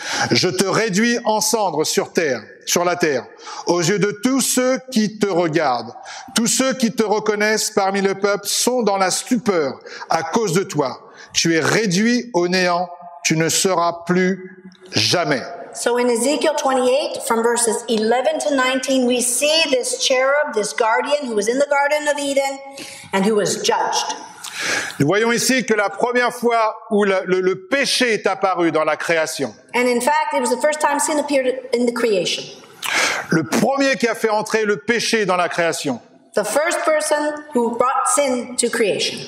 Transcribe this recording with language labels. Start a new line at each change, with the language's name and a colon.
French: Je te réduis en cendres sur la terre, aux yeux de tous ceux qui te regardent. Tous ceux qui te reconnaissent parmi le peuple sont dans la stupeur à cause de toi. Tu es réduit au néant, tu ne seras plus jamais.
English: So in Ezekiel 28, from verses 11 to 19, we see this cherub, this guardian who was in the Garden of Eden and who was judged.
French: Nous voyons ici que la première fois où le péché est apparu dans la création.
English: And in fact, it was the first time sin appeared in the creation.
French: Le premier qui a fait entrer le péché dans la création.
English: The first person who brought sin to creation.